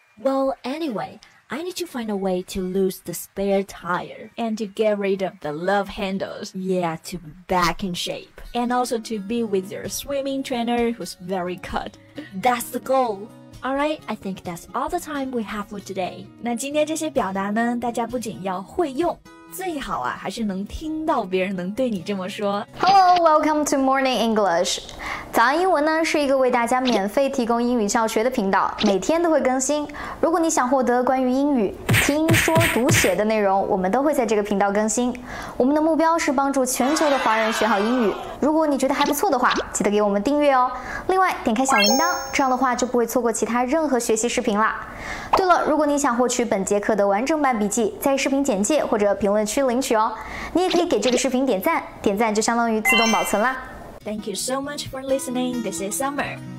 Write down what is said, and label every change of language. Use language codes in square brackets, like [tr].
[en] Well, anyway, I need to find a way to lose the spare tire and to get rid of the love handles. Yeah, to be back in shape and also to be with your swimming trainer who's very cut. That's the goal. Alright, I think that's all the time we have for today. [zh] 那今天这些表达呢，大家不仅要会用，最好啊，还是能听到别人能对你这么说。 [en] Hello, welcome to Morning English. [zh] 早安英文呢，是一个为大家免费提供英语教学的频道，每天都会更新。如果你想获得关于英语听说读写的内容，我们都会在这个频道更新。我们的目标是帮助全球的华人学好英语。如果你觉得还不错的话，记得给我们订阅哦。另外，点开小铃铛，这样的话就不会错过其他任何学习视频啦。对了，如果你想获取本节课的完整版笔记，在视频简介或者评论区领取哦。你也可以给这个视频点赞，点赞就相当于自动保存啦。 [en] Thank you so much for listening. This is Summer.